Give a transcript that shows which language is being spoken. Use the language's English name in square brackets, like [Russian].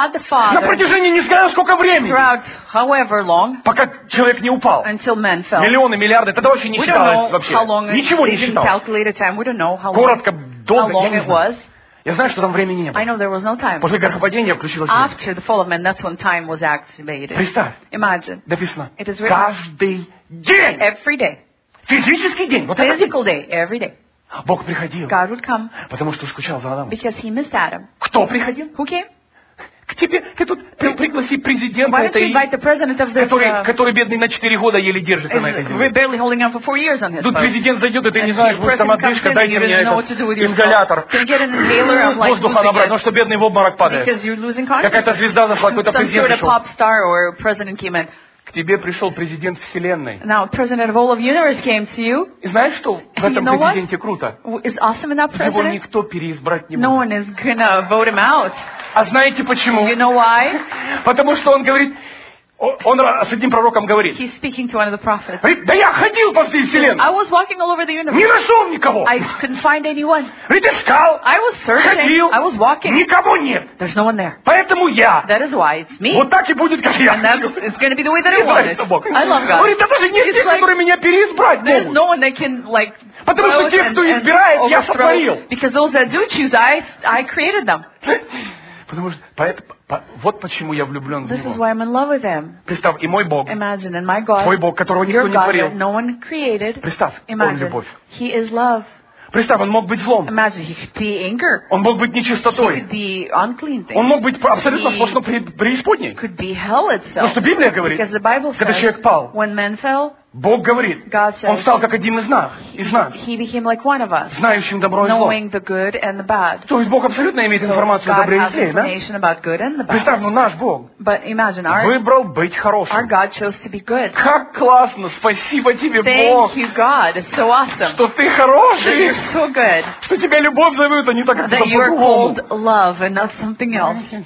[Russian] На протяжении не знаю сколько времени, [English] long, [Russian] пока человек не упал, миллионы, миллиарды, тогда вообще не считалось вообще. Ничего не считалось. Коротко, долго, я не знаю. Я знаю, что там времени не было. [English] I know there was no time. [Russian] После грехопадения включилось время. [English] After the fall of man, that's when time was activated. [Russian] Представь. [English] Imagine. [Russian] Написано. [English] It is written. [Russian] Каждый день. [English] Every day. [Russian] Физический день. Вот [English] physical day. Every day. [Russian] Бог приходил. [English] God would come. [Russian] Потому что скучал за Адамом. [English] Because he missed Adam. [Russian] Кто приходил? [English] Who came? [Russian] К тебе. Ты тут пригласи президента этой, который бедный на 4 года еле держится на этой земле. [English] Barely holding on for 4 years on his. [Russian] Тут президент зайдет, и ты не знаешь, будет там отдышка, дай мне этот ингалятор. Воздуха набрать, потому что бедный в обморок падает. Какая-то звезда зашла, какой-то президент пришел. К тебе пришел президент Вселенной. [English] Now, president of all of universe came to you. [Russian] И знаешь, что в этом президенте круто? [English] It's awesome in that president. [Russian] Его никто переизбрать не будет. [English] No one is gonna vote him out. [Russian] А знаете почему? [English] You know why? [Russian] Потому что он говорит, он с одним пророком говорит. [English] He's speaking to one of the prophets. [Russian] Говорит, да я ходил по всей Вселенной. [English] I was walking all over the universe. [Russian] Не нашел никого. [English] I couldn't find anyone. [Russian] Говорит, искал. [English] I was searching. [Russian] Ходил. [English] I was walking. [Russian] Никого нет. [English] There's no one there. [Russian] Поэтому я. [English] That is why it's me. [Russian] Вот так и будет, как я. [English] And it's going to be the way that I want it. I love God. [Russian] Говорит, да даже нет тех, которые меня переизбрать могут. [English] There's no one that can like. [Russian] Потому что тех, кто избирает, я сотворил. [English] Because those that do choose, I created them. [Russian] Потому что вот почему я влюблен в него. [English] Why I'm in love with him. [Russian] Представь, и мой Бог. [English] Imagine, and my God, [Russian] твой Бог, которого никто [English] your God [Russian] не творил. [English] That no one created. [Russian] Представь, [English] imagine, [Russian] он любовь. [English] He is love. [Russian] Представь, он мог быть злом. [English] Imagine, he could be anger. [Russian] Он мог быть нечистотой. [English] He could be unclean thing. [Russian] Он мог быть абсолютно сплошно преисподней. [English] Could be hell itself. [Russian] Потому что Библия говорит, [English] because the Bible says, [Russian] когда человек пал, [English] when man fell, [Russian] Бог говорит, [English] God says, [Russian] он стал как один из нас, [English] he became like one of us, [Russian] знающим добро и зло. То есть Бог абсолютно имеет информацию о добре и зле, да? Представь, но наш Бог [English] imagine, [Russian] выбрал быть хорошим. [English] Our God chose to be good. [Russian] Как классно! Спасибо тебе, [English] Thank [Russian] Бог! [English] You, God. It's so awesome. [Russian] Что ты хороший! [English] That you're so good. [Russian] Что тебя любовь зовут, а не так, как по-другому. [English] That you're called love and not something else.